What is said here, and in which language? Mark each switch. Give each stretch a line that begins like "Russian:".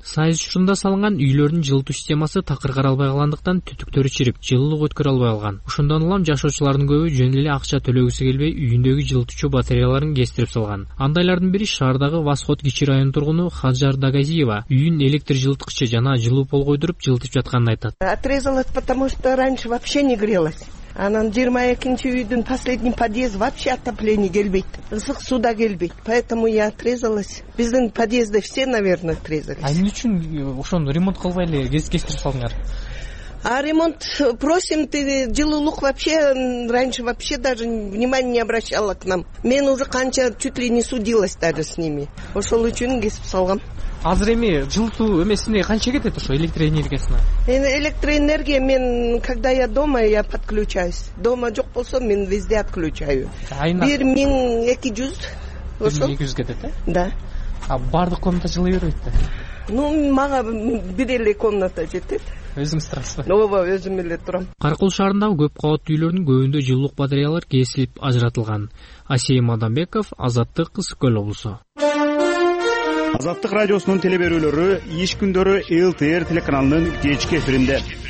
Kyrgyz: Союз учурунда салынган үйлөрдүн жылытуу системасы такыр каралбай калгандыктан түтүктөрү чирип, жылуулук өткөрө албай калган. Ошондон улам жашоочулардын көбү жөн эле акча төлөгүсү келбей үйүндөгү жылытуучу батареяларын кестирип салган. Андайлардын бири шаардагы Восход кичи районунун тургуну Хаджар Дагазиева үйүн электр жылыткычы жана жылуу пол койдуруп жылытып жатканын айтат.
Russian: Отрезала, потому что раньше вообще не грелась.
Kyrgyz: Анан 22-нчи үйдүн
Russian: последний подъезд вообще отопление
Kyrgyz: келбейт. Ысык суу да келбейт.
Russian: Поэтому я отрезалась.
Kyrgyz: Биздин подъездде
Russian: все, наверное, отрезались.
Kyrgyz: А эмне үчүн ошону ремонт кылбай эле кескештирип салдыңар?
Russian: А ремонт просим, ты жылулук вообще раньше вообще даже внимания не обращала к нам. Мен уже канча чуть ли не судилась даже с ними.
Kyrgyz: Ошол үчүн кесип салгам. Азыр эми жылытуу эмесине канча кетет ошо электроэнергиясына?
Russian: Электроэнергия мен когда я дома, я подключаюсь. Дома
Kyrgyz: жок болсо мен
Russian: везде отключаю.
Kyrgyz: Айына 1200 ошо. 1200 кетет, э?
Russian: Да.
Kyrgyz: А бардык комната жылы берет, да? Ну, мага бир эле комната жетет. Өзүңүз турасыз. Ооба, өзүм эле турам. Каркыл шаарындагы көп кабаттуу үйлөрдүн көбүндө жылуулук батареялар кесилип ажыратылган. Асей Мадамбеков, Азаттык, Ысык-Көл облусу. Азаттык радиосунун телеберүүлөрү иш күндөрү ЛТР телеканалынын кечки эфиринде.